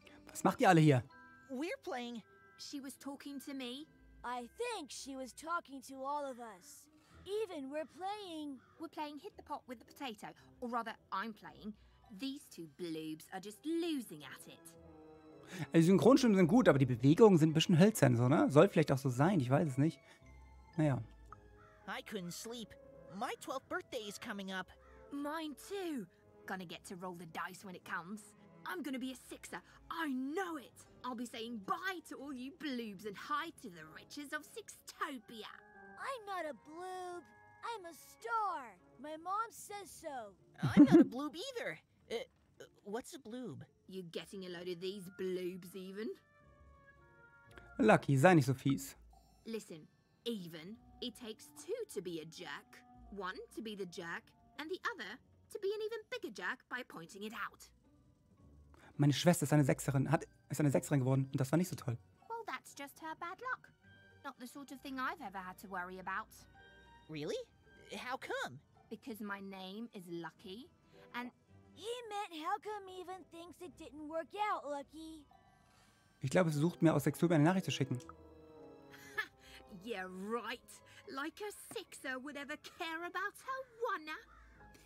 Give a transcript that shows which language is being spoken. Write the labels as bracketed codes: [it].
[de] Was macht ihr alle hier? [en] We're playing. She was talking to me. I think she was talking to all of us. Even we're playing. We're playing hit the pot with the potato. Or rather, I'm playing. These two bloobs are just losing at it. [de] Die Synchronstimmen sind gut, aber die Bewegungen sind ein bisschen hölzern, so, ne? Soll vielleicht auch so sein, ich weiß es nicht. Naja. [en] I couldn't sleep. My 12th birthday is coming up. Mine too. Gonna get to roll the dice when it comes. I'm gonna be a sixer. I know it. I'll be saying bye to all you bloobs and hi to the riches of Sixtopia. I'm not a bloob. I'm a star. My mom says so. I'm not a bloob either. What's a bloob? You getting a load of these bloobs, even? [de] Lucky, sei nicht so fies. [en] Listen, even, it takes two to be a jerk. One to be the jerk, and the other to be an even bigger jerk by pointing it out. [de] Meine Schwester ist eine Sechserin, ist eine Sechserin geworden, und das war nicht so toll. [en] Well, that's just her bad luck. Not the sort of thing I've ever had to worry about. Really? How come? Because my name is Lucky, and... He meant how come even thinks it didn't work out, Lucky? [de] Ich glaube, sie sucht mir aus Sextopia eine Nachricht zu schicken. [en] You're right. Like a Sixer would ever care about a Wanna.